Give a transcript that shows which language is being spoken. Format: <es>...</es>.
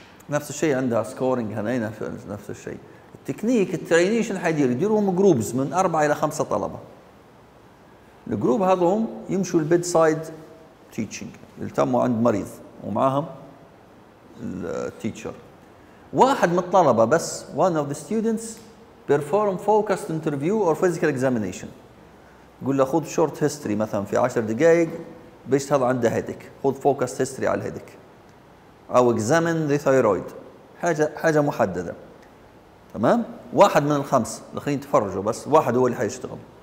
<ar>نفس الشيء عندها سكورينج، هنا نفس الشيء التكنيك. التريني شنو حيدير؟ يديرهم جروبز من 4 إلى 5 طلبة. الجروب هذوم يمشوا البيد سايد تيتشنج، يلتموا عند مريض ومعاهم التيتشر.</ar> <en>واحد من الطلبة بس، one of the students perform focused interview or physical examination.</en> <ar>يقول له خذ شورت هيستوري مثلا في 10 دقائق، بيشتغل عنده هيدك، خذ فوكس هيستوري على الهيدك، او اكزامن ذا ثايرويد، حاجه محدده. تمام؟ واحد من الخمس، الاخرين تفرجوا بس، واحد هو اللي حيشتغل.</ar>